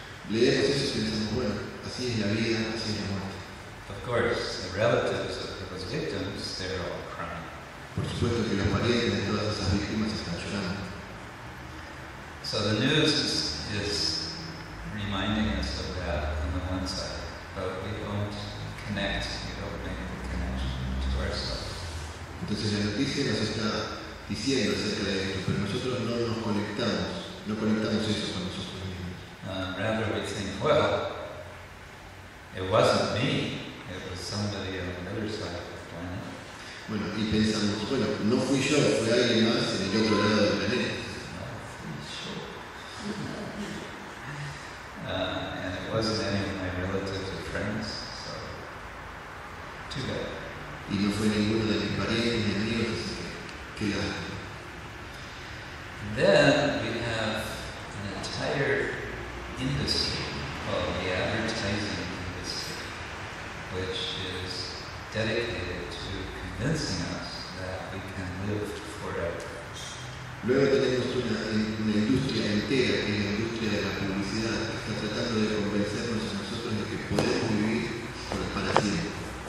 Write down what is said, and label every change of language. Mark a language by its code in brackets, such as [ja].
[es] Leemos eso y pensamos, bueno, así es la vida, así es la muerte. [en] Of course, the relatives of those victims, they're all crying. [es] Por supuesto que los parientes de todas esas víctimas están llorando. [en] So the news is reminding us of that on the one side, but we don't connect, we don't make the connection to ourselves. [es] Entonces la noticia nos está diciendo acerca de esto, pero nosotros no nos conectamos, no conectamos eso con nosotros mismos. [en] Rather we think, well, it wasn't me, it was somebody on the other side of the planet. [es] Bueno, y pensamos, bueno, no fui yo, fue alguien más en el otro lado del planeta. No fui yo. [en] And it wasn't any of my relatives or friends, so too bad. [es] Y no fue ninguno de mis parientes ni amigos, así que qué. [en] Then we have an entire industry called the advertising industry, which is dedicated to convincing us that we can live forever. [es] Luego tenemos una industria entera, que es la industria de la publicidad, que está tratando de convencernos a nosotros de que podemos vivir por el para siempre.